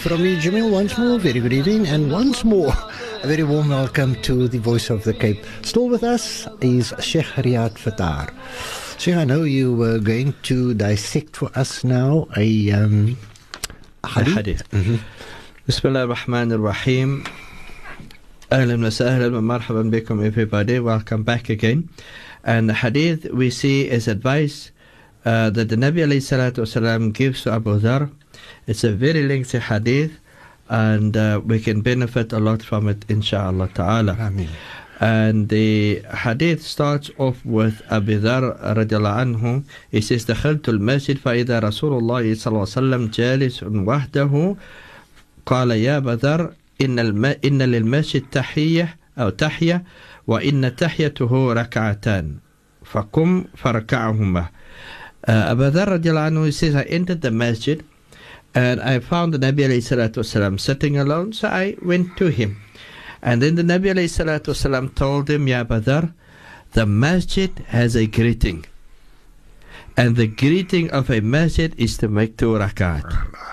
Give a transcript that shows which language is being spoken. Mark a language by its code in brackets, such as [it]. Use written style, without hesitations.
[en] From you, Jamil, once more, very good evening. And once more, a very warm welcome to the Voice of the Cape. Still with us is Sheikh Riyad Fattar. Sheikh, I know you were going to dissect for us now a hadith. [ar] بسم الله الرحمن الرحيم أهلا وسهلا ومرحبا بكم [en] everybody, welcome back again. And the hadith we see is advice that the Nabi عليه الصلاة والسلام gives to Abu Dharr. It's a very lengthy hadith, and we can benefit a lot from it inshallah تعالى. Amen. And the hadith starts off with Abu Dharr رضي الله عنه. He says, [ar] دخلت المسجد فإذا رسول الله صلى الله عليه وسلم جالس وحده قال يا بدر إن للمسجد تحية أو تحية وإن تحيته ركعتان فقم فركعهما. [en] أبو ذر رضي الله عنه says, I entered the masjid and I found the Nabi عليه الصلاة والسلام sitting alone, so I went to him. And then the Nabi عليه الصلاة والسلام told him, يا بدر, the masjid has a greeting, and the greeting of a masjid is to make two rakat.